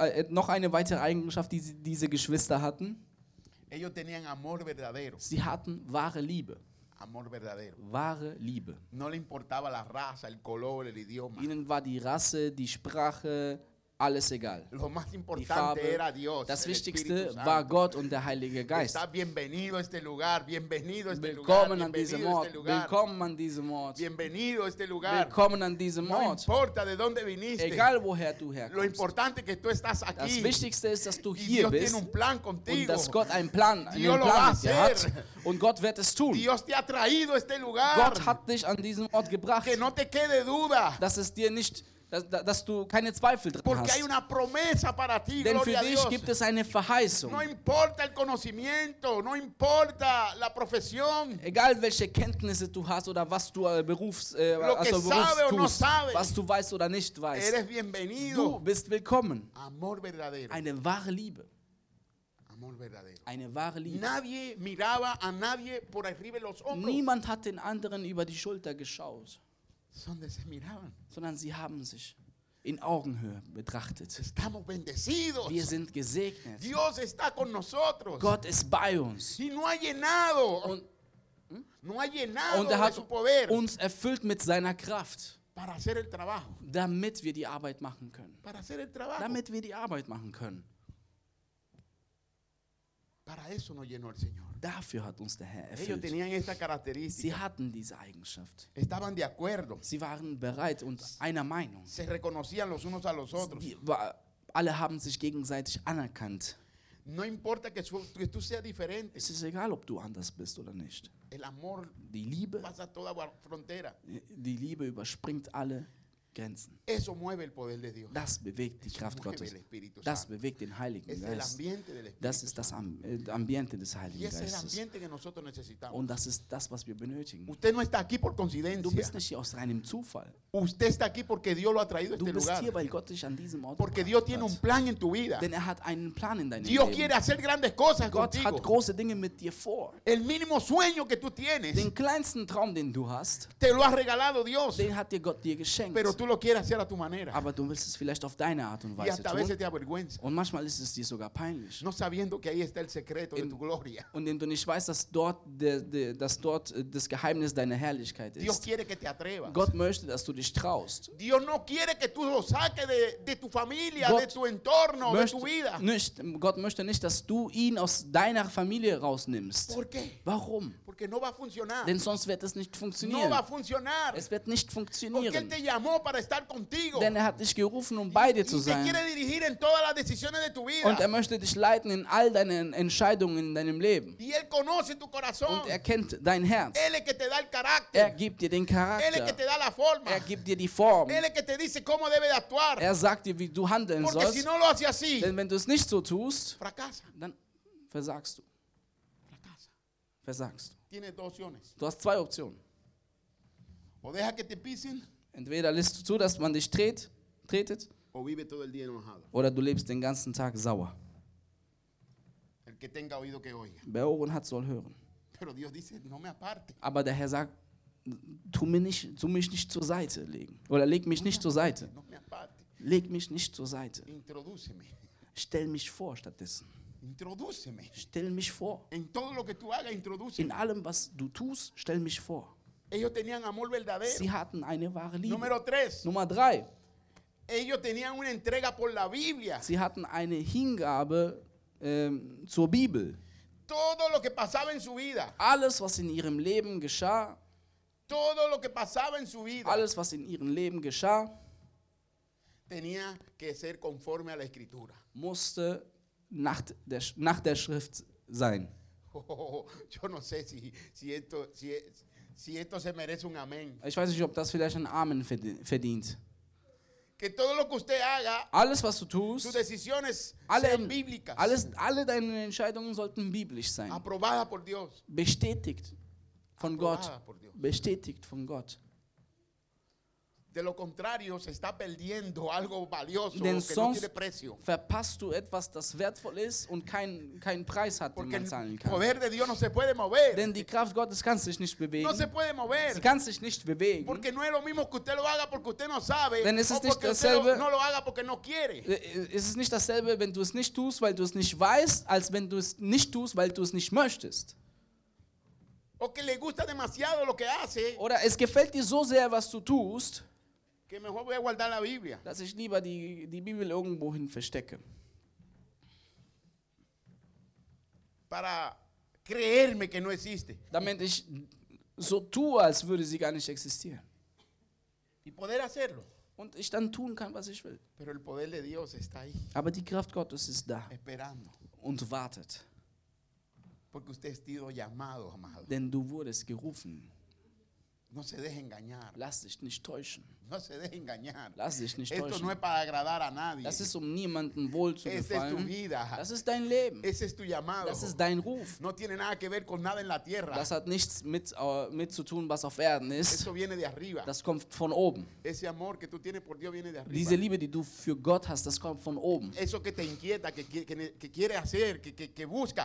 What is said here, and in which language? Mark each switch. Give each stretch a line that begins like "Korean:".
German: noch eine weitere Eigenschaft, die diese Geschwister hatten.
Spanish: Ellos tenían amor verdadero.
German: Sie hatten wahre Liebe.
Spanish: Amor verdadero.
German: Wahre Liebe.
Spanish: No le importaba la raza, el color, el idioma.
German: Ihnen war die Rasse, die Sprache, alles egal.
Spanish: Lo más importante
German: Farbe,
Spanish: era Dios,
German: das Wichtigste war Gott und der Heilige Geist.
Spanish: Bienvenido este lugar, bienvenido este
German: willkommen,
Spanish: lugar, an bienvenido este lugar.
German: Willkommen an diesem Ort.
Spanish: Bienvenido este lugar.
German: Willkommen an diesem Ort.
Spanish: No importa de dónde viniste.
German: Egal woher du herkommst.
Spanish: Lo importante que tú estás aquí.
German: Das Wichtigste ist, dass du
Spanish: y
German: hier bist
Spanish: tiene un plan contigo.
German: Und dass Gott einen Plan mit dir hat. Und Gott wird es tun.
Spanish: Dios te ha traído este lugar.
German: Gott hat dich an diesem Ort gebracht.
Spanish: Que no te quede duda.
German: Dass es dir nicht dass du keine Zweifel dran
Spanish: Porque Hay una promesa para ti,
German: denn
Spanish: Gloria
German: für dich
Spanish: Dios.
German: Gibt es eine Verheißung.
Spanish: No importa el conocimiento, no importa la profesión.
German: Egal welche Kenntnisse du hast oder was du was du weißt oder nicht weißt.
Spanish: Eres bienvenido.
German: Du bist willkommen.
Spanish: Amor verdadero.
German: Eine wahre Liebe.
Spanish: Amor verdadero.
German: Eine wahre Liebe.
Spanish: Nadie miraba a nadie por arriba los hombros.
German: Niemand hat den anderen über die Schulter geschaut. Sondern sie haben sich in Augenhöhe betrachtet.
Spanish: Estamos bendecidos.
German: Wir sind gesegnet.
Spanish: Dios está con nosotros.
German: Gott ist bei uns.
Spanish: Y no ha llenado. No ha llenado
German: und er hat
Spanish: su poder.
German: Uns erfüllt mit seiner Kraft.
Spanish: Para hacer el trabajo.
German: Damit wir die Arbeit machen können.
Spanish: Para hacer el trabajo.
German: Damit wir die Arbeit machen können.
Spanish: Para eso nos llenó el Señor.
German: Dafür hat uns der Herr erfüllt.
Spanish: Ellos tenían esta característica.
German: Sie hatten diese Eigenschaft.
Spanish: Estaban de acuerdo.
German: Sie waren bereit und einer Meinung.
Spanish: Se reconocían los unos a los otros.
German: Alle haben sich gegenseitig anerkannt.
Spanish: No importa que tú seas diferente.
German: Es ist egal, ob du anders bist oder nicht.
Spanish: El amor
German: die Liebe,
Spanish: pasa toda frontera.
German: Die Liebe überspringt alle Grenzen.
Spanish: Eso mueve el poder de Dios.
German: Das bewegt die
Spanish: Eso
German: Kraft
Spanish: mueve
German: Gottes.
Spanish: El Espíritu Santo.
German: Das bewegt den Heiligen
Spanish: es
German: Geist.
Spanish: El ambiente del Espíritu
German: das ist das Ambiente des Heiligen
Spanish: y es
German: Geistes.
Spanish: El ambiente que nosotros necesitamos.
German: Und das ist das, was wir benötigen.
Spanish: Usted no está aquí por coincidencia.
German: Du bist nicht hier aus reinem Zufall.
Spanish: Usted está aquí porque Dios lo ha traído
German: du
Spanish: este
German: bist
Spanish: lugar.
German: Hier, weil Gott dich an diesem Ort
Spanish: porque Dios tiene
German: hat.
Spanish: Un plan en tu vida.
German: Denn er hat einen Plan in deinem
Spanish: Dios
German: Leben.
Spanish: Quiere hacer grandes cosas
German: Gott
Spanish: contigo.
German: Hat große Dinge mit dir vor.
Spanish: El mínimo sueño que tú tienes,
German: den kleinsten Traum, den du hast,
Spanish: te lo ha regalado Dios.
German: Den hat dir Gott dir geschenkt.
Spanish: Pero tú lo quieres hacer a tu manera.
German: Aber du willst es vielleicht auf deine Art und Weise
Spanish: y hasta veces te avergüenza.
German: Und manchmal ist es dir sogar peinlich.
Spanish: No sabiendo que ahí está el secreto de tu gloria.
German: Und wenn du nicht weißt, dass dort, dass dort das Geheimnis deiner Herrlichkeit ist.
Spanish: Dios quiere que te atrevas.
German: Gott möchte, dass du dich traust.
Spanish: Dios no quiere que tú lo saques de tu familia, de tu entorno, de tu vida.
German: Gott möchte nicht, dass du ihn aus deiner Familie rausnimmst.
Spanish: ¿Por qué?
German: Warum?
Spanish: Porque no va a funcionar.
German: Denn sonst wird es nicht funktionieren.
Spanish: No va a funcionar.
German: Es wird nicht funktionieren.
Spanish: Porque él te llamó para estar contigo.
German: Denn er hat dich gerufen, um bei dir zu sein.
Spanish: Y te quiere dirigir en todas las decisiones de tu vida.
German: Und er möchte dich leiten in all deinen Entscheidungen in deinem Leben.
Spanish: Y él conoce tu corazón.
German: Und er kennt dein Herz.
Spanish: Él es que te da el carácter.
German: Er gibt dir den Charakter.
Spanish: Él es que te da la forma.
German: Er gibt dir die Form.
Spanish: Él es que te dice cómo debe de actuar.
German: Er sagt dir, wie du handeln
Spanish: Porque
German: sollst.
Spanish: Si no lo hace así,
German: denn wenn du es nicht so tust,
Spanish: fracasa.
German: Dann versagst du.
Spanish: Fracasa.
German: Versagst du.
Spanish: Tiene dos opciones.
German: Du hast zwei Optionen.
Spanish: O deja que te pisen.
German: Entweder lässt du zu, dass man dich tritt, tretet. Oder du lebst den ganzen Tag sauer.
Spanish: El que tenga oído que oiga.
German: Wer Ohren hat, soll hören.
Spanish: Pero Dios dice, no me aparte.
German: Aber der Herr sagt, tu mich nicht zur Seite legen. Oder leg mich nicht zur Seite.
Spanish: No me aparte.
German: Leg mich nicht zur Seite.
Spanish: Introduceme.
German: Stell mich vor stattdessen.
Spanish: Introduceme.
German: Stell mich vor.
Spanish: En todo lo que tú haga, introduceme.
German: In allem, was du tust, stell mich vor.
Spanish: Ellos tenían amor verdadero.
German: Sie hatten eine wahre Liebe.
Spanish: Número tres.
German: Nummer drei.
Spanish: Ellos tenían una entrega por la Biblia.
German: Sie hatten eine Hingabe zur Bibel.
Spanish: Todo lo que pasaba en su vida.
German: Alles, was in ihrem Leben geschah.
Spanish: Todo lo que pasaba en su vida.
German: Alles, was in ihrem Leben geschah.
Spanish: Tenía que ser conforme a la Escritura.
German: Musste nach der Schrift sein.
Spanish: Oh, yo no sé si esto, si esto se merece un amén.
German: Ich weiß nicht, ob das vielleicht ein Amen verdient.
Spanish: Que todo lo que usted haga,
German: alles, was du tust,
Spanish: sus decisiones sean bíblicas.
German: Alle deine Entscheidungen sollten biblisch sein.
Spanish: Aprobada por Dios.
German: Bestätigt von Gott. Bestätigt von Gott.
Spanish: De lo contrario, se está perdiendo algo valioso, que no tiene precio.
German: Verpasst du etwas, das wertvoll ist und keinen Preis hat,
Spanish: porque
German: den man zahlen kann.
Spanish: Poder de Dios no se puede mover.
German: Denn die Kraft Gottes kann sich nicht bewegen.
Spanish: No se puede mover.
German: Sie kann sich nicht bewegen.
Spanish: Porque no es lo mismo que usted lo haga porque usted no sabe.
German: Denn es ist nicht dasselbe,
Spanish: no lo haga porque no quiere.
German: Es ist nicht dasselbe, wenn du es nicht tust, weil du es nicht weißt, als wenn du es nicht tust, weil du es nicht möchtest.
Spanish: O que le gusta demasiado lo que hace.
German: Oder es gefällt dir so sehr, was du tust.
Spanish: Que mejor voy a guardar la Biblia.
German: Dass ich lieber die Bibel irgendwohin verstecke.
Spanish: Para creerme que no existe.
German: Damit ich so tue, als würde sie gar nicht existieren.
Spanish: Y poder hacerlo.
German: Und ich dann tun kann, was ich will.
Spanish: Pero el poder de Dios está ahí.
German: Aber die Kraft Gottes ist da.
Spanish: Esperando.
German: Und wartet.
Spanish: Porque usted ha sido llamado, amado.
German: Denn du wurdest gerufen.
Spanish: No se deje engañar.
German: Lass dich nicht täuschen.
Spanish: No se deje engañar.
German: Lass dich nicht
Spanish: esto
German: täuschen.
Spanish: No es para agradar a nadie.
German: Das ist, um niemanden wohl zu
Spanish: gefallen. Es tu vida.
German: Das ist dein Leben.
Spanish: Es es tu llamado.
German: Das ist dein Ruf.
Spanish: No tiene nada que ver con nada en la tierra.
German: Das hat nichts mit zu tun, was auf Erden ist.
Spanish: Eso viene de arriba.
German: Das kommt von oben.
Spanish: Ese amor que tú tienes por Dios viene de arriba.
German: Diese Liebe, die du für Gott hast, das kommt von oben.
Spanish: Eso que te inquieta, que quiere hacer, que busca,